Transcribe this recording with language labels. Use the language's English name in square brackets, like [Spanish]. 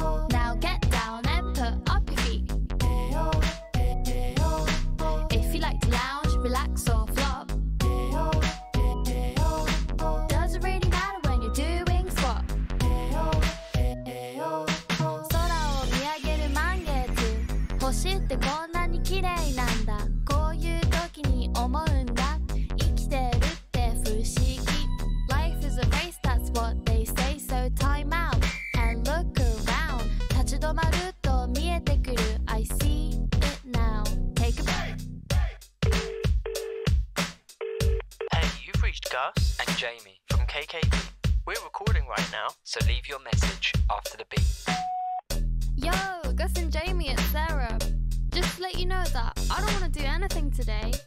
[English] Now get down and put up your feet. If you like to lounge, relax or flop, doesn't really matter when you're doing squat. [Japanese] 空を見上げる満月、星ってこんなに綺麗なんだ。こういう時に思うんだ。生きてるって不思議。 [English] Life is a race, that's what they say. So time out and look around. [Japanese] 立ち止まると見えてくる。 [English] I see it now. Take a break. Hey, you've reached Gus and Jamie from KKP. We're recording right now, so leave your message after the beep. Yo, Gus and Jamie, it's Sarah. Just to let you know that I don't want to do anything today.